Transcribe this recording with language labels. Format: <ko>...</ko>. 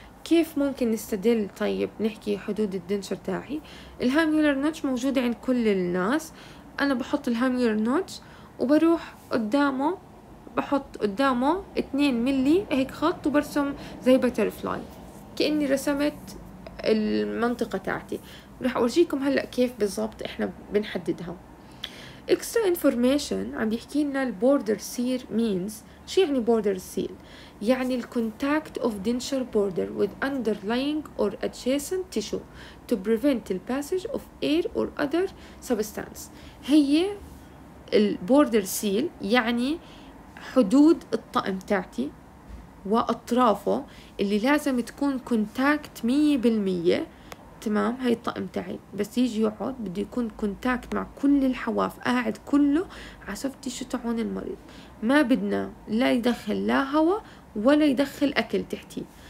<ar>كيف ممكن نستدل؟ طيب نحكي حدود الدنشر تاعي، الهاميولر نوتش موجودة عند كل الناس، أنا بحط الهاميولر نوتش وبروح قدامه، بحط قدامه 2 ملي هيك خط وبرسم زي بترفلاي كأني رسمت المنطقة تاعتي. رح أورجيكم هلأ كيف بالضبط إحنا بنحددها.</ar> <en>extra information</en> <ar>عم بيحكي لنا</ar> <en>border seal means،</en> <ar>شو يعني</ar> <en>border seal؟ يعني the contact of denture border with underlying or adjacent tissue to prevent the passage of air or other substance.</en> <ar>هي border seal يعني حدود الطقم تاعتي وأطرافه اللي لازم تكون contact 100%. تمام، هاي الطقم تاعي بس يجي يقعد بده يكون كونتاكت مع كل الحواف، قاعد كله على صفتي شو تعون المريض، ما بدنا لا يدخل لا هواء ولا يدخل اكل تحتي.</ar>